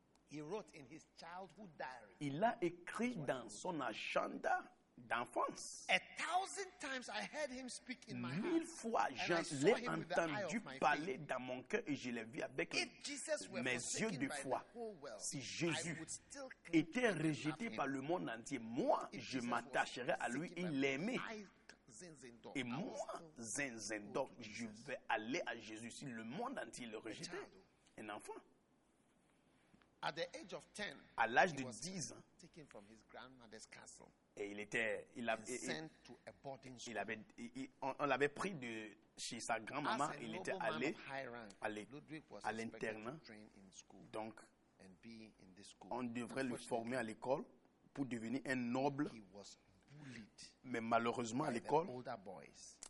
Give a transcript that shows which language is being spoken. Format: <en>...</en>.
<en>He wrote in his childhood diary.</en> <fr>Il a écrit dans son agenda d'enfance.</fr> <en>1,000 times I heard him speak in my heart.</en> <fr>1,000 fois je l'ai entendu parler dans mon cœur et je l'ai vu avec mes yeux de foi. Si Jésus était rejeté par le monde entier, moi je m'attacherais à lui, il l'aimait. Et moi, Zinzendorf, je vais aller à Jésus si le monde entier le rejetait. Un enfant.</fr> <en>At the age of 10,</en> <fr>à l'âge de 10 ans,</fr> <en>taken from his grandmother's castle,</en> <fr>et il était, il avait,</fr> <en>sent to a boarding school.</en> <fr>Il avait, on l'avait pris de chez sa grand-maman, il était allé à l'internat. Donc,</fr> <en>and be in this school.</en> <fr>On devrait le former à l'école pour devenir un noble.</fr> <en>He was bullied,</en> <fr>mais malheureusement, à l'école,</fr> <en>older boys,</en>